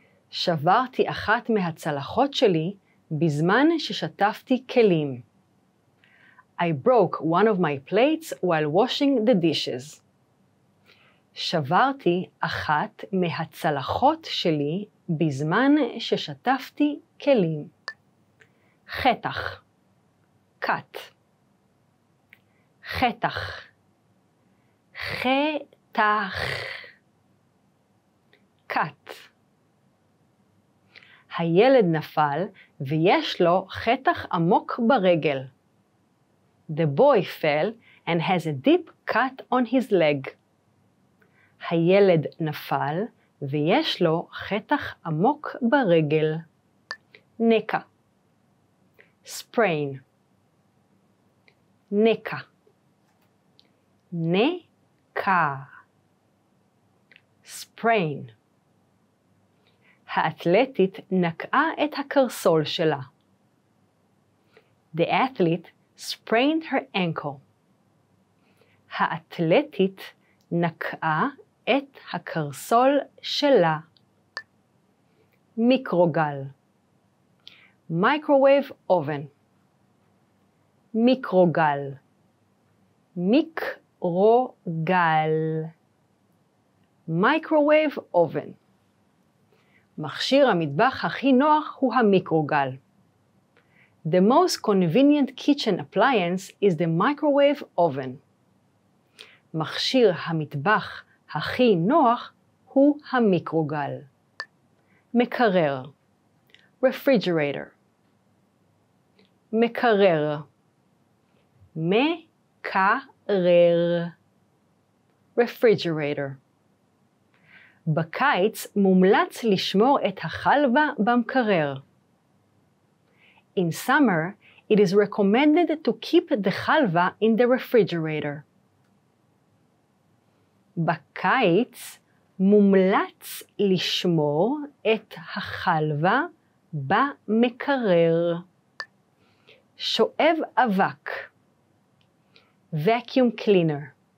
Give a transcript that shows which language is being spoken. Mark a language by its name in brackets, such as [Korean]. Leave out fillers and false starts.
[Hebrew] שברתי אחת מהצלחות שלי בזמן ששטפתי כלים. [English] I broke one of my plates while washing the dishes. [Hebrew] שברתי אחת מהצלחות שלי בזמן ששטפתי כלים. חתך. [English] קאט. [Hebrew] חתך. חתך. [English] קאט. [Hebrew] הילד נפל ויש לו חתך עמוק ברגל. [English] The boy fell and has a deep cut on his leg. [Hebrew] הילד נפל ויש לו חתך עמוק ברגל. נקע. [English] Sprain. [Hebrew] נקע. נקע. [English] Sprain. [Hebrew] האתלטית נקעה את הקרסול שלה. [English] The athlete sprained her ankle. [Hebrew] האתלטית נקעה את הקרסול שלה. מיקרוגל. [English] Microwave oven. [Hebrew] מיקרוגל. מיקרוגל. [English] Microwave oven. [Hebrew] מכשיר המטבח הכי נוח הוא המיקרוגל. [English] The most convenient kitchen appliance is the microwave oven. [Hebrew] מכשיר המטבח הכי נוח הוא המיקרוגל. מקרר. [English] Refrigerator. [Hebrew] מקרר. מקרר. [English] Refrigerator. [Hebrew] בקיץ מומלץ לשמור את החלווה במקרר. In summer, it is recommended to keep the halva in the refrigerator. בקיץ מומלץ לשמור את החלווה במקרר. שואב אבק. [English] Vacuum cleaner.